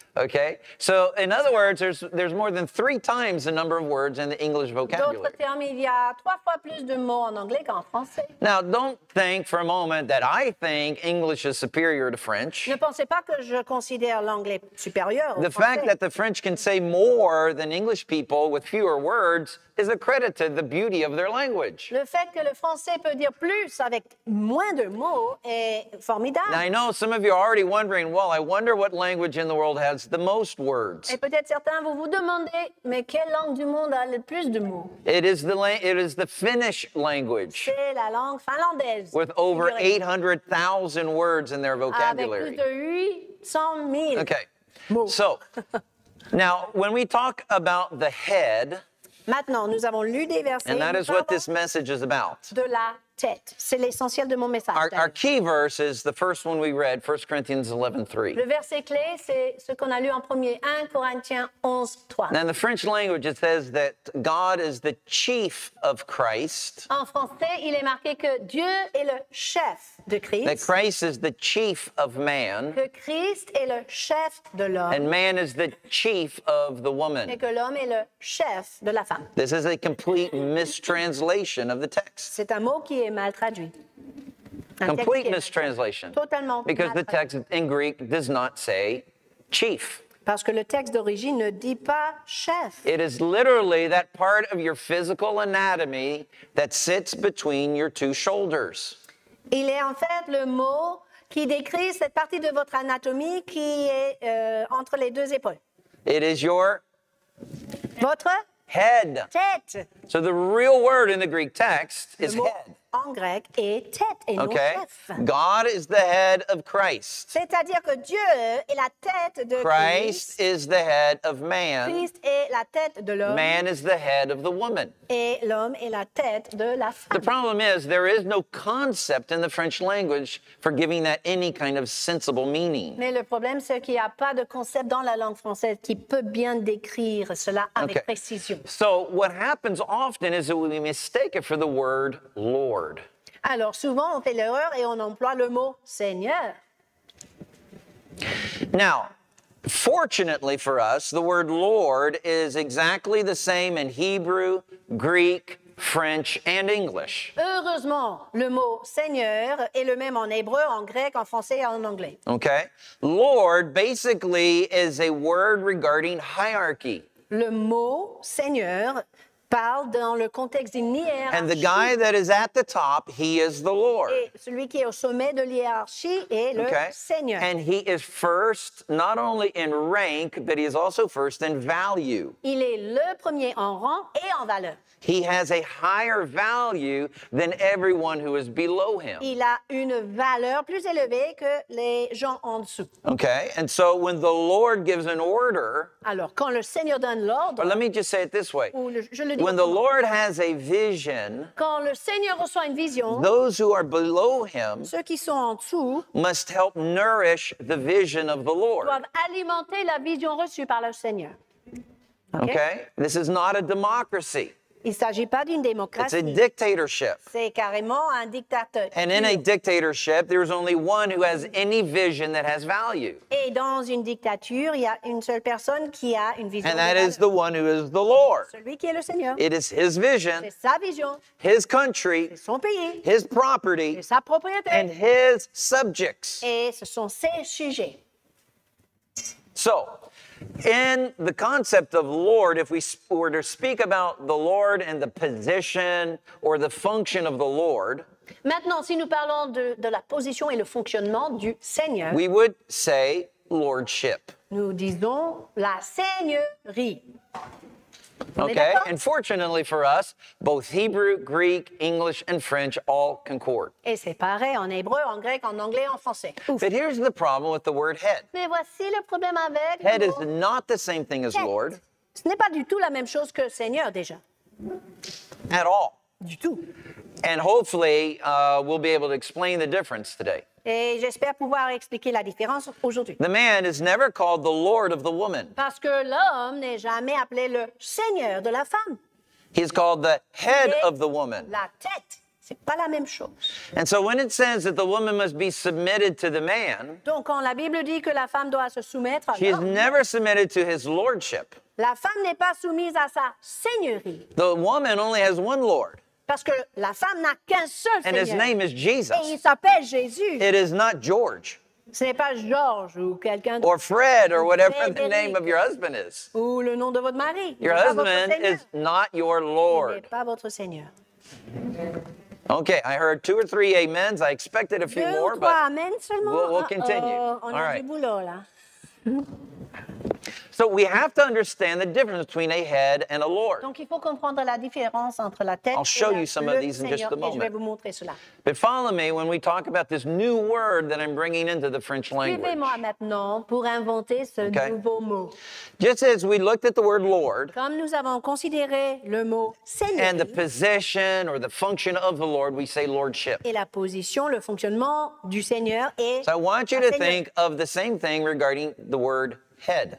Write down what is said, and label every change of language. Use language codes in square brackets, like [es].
[en] Okay, so in other words, there's more than three times the number of words in the English vocabulary. [fr] D'autres termes, il y a trois fois plus de mots en anglais qu'en français. [en] Now, don't think for a moment that I think English is superior to French. [fr] Ne pensez pas que je considère l'anglais supérieur au français. [en] The fact that the French can say more than English people with fewer words is a credit to the beauty of their language. [fr] Le fait que le français peut dire plus avec moins de mots est formidable. [en] Now, I know some of you are already wondering, well, I wonder what language in the world has the most words. [fr] Et peut-être certains vous vous demandez, mais quelle langue du monde a le plus de mots? [en] It is the Finnish language. [fr] C'est la langue finlandaise. [en] With over 800,000 words in their vocabulary. [fr] Avec plus de 800,000 [en] okay. [fr] mots. [en] So, now, when we talk about the head, [fr] maintenant, nous avons lu des versets, [en] and that is what this message is about. [fr] De la c'est l'essentiel de mon message. [en] Our key verse is the first one we read, 1 Corinthians 11:3. [fr] Le verset clé, c'est ce qu'on a lu en premier, 1 Corinthiens 11:3. [en] Now in the French language, it says that God is the chief of Christ. [fr] En français, il est marqué que Dieu est le chef de Christ. [en] That Christ is the chief of man. [fr] Que Christ est le chef de l'homme. [en] And man is the chief of the woman. [fr] Et que l'homme est le chef de la femme. [en] This is a complete mistranslation of the text. [fr] C'est un mot qui mal traduit. [en] Complete mistranslation. [fr] Totalement. [en] Because the text in Greek does not say chief. [fr] Parce que le texte d'origine ne dit pas chef. [en] It is literally that part of your physical anatomy that sits between your two shoulders. [fr] Il est en fait le mot qui décrit cette partie de votre anatomie qui est entre les deux épaules. [en] It is your [fr] votre [en] head. [fr] Tête. [en] So the real word in the Greek text [fr] le [en] is head. [fr] En grec est tête et non [en] okay. [fr] chef. [en] God is the head of Christ. [fr] C'est-à-dire que Dieu est la tête de Christ. [en] Christ is the head of man. [fr] Christ est la tête de l'homme. [en] Man is the head of the woman. [fr] Et l'homme est la tête de la femme. [en] The problem is there is no concept in the French language for giving that any kind of sensible meaning. [fr] Mais le problème c'est qu'il n'y a pas de concept dans la langue française qui peut bien décrire cela avec okay. précision. [en] So what happens often is that we mistake it for the word Lord. [fr] Alors souvent on fait l'erreur et on emploie le mot Seigneur. [en] Now, fortunately for us, the word Lord is exactly the same in Hebrew, Greek, French and English. [fr] Heureusement, le mot Seigneur est le même en hébreu, en grec, en français et en anglais. [en] Okay. Lord basically is a word regarding hierarchy. [fr] Le mot Seigneur parle dans le contexte d'une hiérarchie. [en] And the guy that is at the top, he is the Lord. [fr] Et celui qui est au sommet de l'hiérarchie est le okay. Seigneur. [en] And he is first, not only in rank, but he is also first in value. [fr] Il est le premier en rang et en valeur. [en] He has a higher value than everyone who is below him. [fr] Il a une valeur plus élevée que les gens en dessous. [en] Okay, and so when the Lord gives an order, [fr] alors quand le Seigneur donne l'ordre, [en] or let me just say it this way. When the Lord has a vision, [fr] quand le Seigneur reçoit une vision, [en] those who are below him, [fr] ceux qui sont en dessous, [en] must help nourish the vision of the Lord. [fr] Doivent alimenter la vision reçue par le Seigneur. [en] Okay, this is not a democracy. [fr] Il s'agit pas d'une démocratie. [en] It's a dictatorship. [fr] C'est carrément un dictateur. [en] And in a dictatorship, there is only one who has any vision that has value. [fr] Et dans une dictature, il y a une seule personne qui a une vision. [en] And that is the one who is the Lord. [fr] Celui qui est le Seigneur. [en] It is his vision. [fr] C'est sa vision. [en] His country. [fr] C'est son pays. [en] His property. [fr] C'est sa propriété. [en] And his subjects. [fr] Et ce sont ses sujets. [en] So, in the concept of Lord, if we were to speak about the Lord and the position or the function of the Lord, [fr] maintenant, si nous parlons de la position et le fonctionnement du Seigneur, [en] we would say lordship. [fr] Nous disons la seigneurie. [en] Okay, and fortunately for us, both Hebrew, Greek, English, and French all concord. [fr] Et c'est pareil en hébreu, en grec, en anglais, en français. Ouf. [en] But here's the problem with the word head. [fr] Mais voici le problème avec le mot. [en] Is not the same thing as [fr] tête. [en] Lord. [fr] Ce n'est pas du tout la même chose que Seigneur, déjà. [en] At all. [fr] Du tout. [en] And hopefully, we'll be able to explain the difference today. [fr] Et j'espère pouvoir expliquer la différence aujourd'hui. [en] The man is never called the Lord of the woman. [fr] Parce que l'homme n'est jamais appelé le Seigneur de la femme. [en] He's called the head of the woman. [fr] La tête. C'est pas la même chose. [en] And so when it says that the woman must be submitted to the man, [fr] donc quand la Bible dit que la femme doit se soumettre, [en] she is never submitted to his lordship. [fr] La femme n'est pas soumise à sa seigneurie. [en] The woman only has one lord. [fr] Parce que la femme n'a qu'un seul seigneur. [en] And his name is Jesus. [fr] Et il s'appelle Jésus. [en] It is not George. [fr] Ce n'est pas George ou quelqu'un d'autre. [en] Or Fred or whatever the name of your husband is. [fr] Ou le nom de votre mari. [en] Your husband is not your lord. [fr] Il n'est pas votre seigneur. [en] Okay, I heard two or three amens. I expected a few [fr] deux [en] more, [fr] trois [en] but [fr] amens seulement. [en] We'll continue. [fr] On [en] All right. [fr] Du boulot, là. [en] So we have to understand the difference between a head and a lord. [fr] Donc, il faut comprendre la différence entre la tête [en] I'll show [fr] et [en] you some of these in just a moment. [fr] Je vais vous montrer cela. [en] But follow me when we talk about this new word that I'm bringing into the French language. [fr] Suivez-moi maintenant pour inventer ce okay. nouveau mot. [en] Just as we looked at the word lord, [fr] comme nous avons considéré le mot seigneur, [en] and the position or the function of the lord, we say lordship. [fr] Et la position, le fonctionnement du seigneur est [en] So I want you to think of the same thing regarding the word head.